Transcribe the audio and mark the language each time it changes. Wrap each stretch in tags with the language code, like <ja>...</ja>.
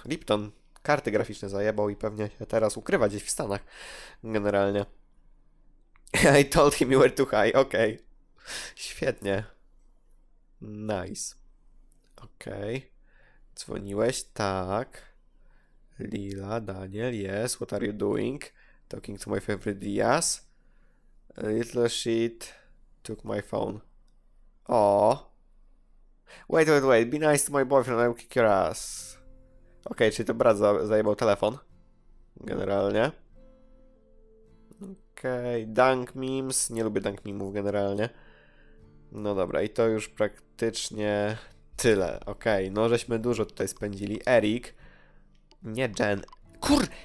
<pl>Lipton karty graficzne zajebał i pewnie się teraz ukrywa gdzieś w Stanach. Generalnie.</pl> <en>I told him you were too high.</en> <pl>Okej. Okay. Świetnie. Nice. Okej. Okay. Dzwoniłeś? Tak.</pl> <en>Lila, Daniel, yes. What are you doing? Talking to my favorite Diaz. A little shit took my phone. O. Wait, be nice to my boyfriend, I'll kick your ass.</en> <pl>Okej, czyli to brat zajebał telefon. Generalnie. Okej, dank memes. Nie lubię dank memów generalnie. No dobra, i to już praktycznie tyle. Okej, no żeśmy dużo tutaj spędzili. Eric. Nie Jen. Kur!</pl>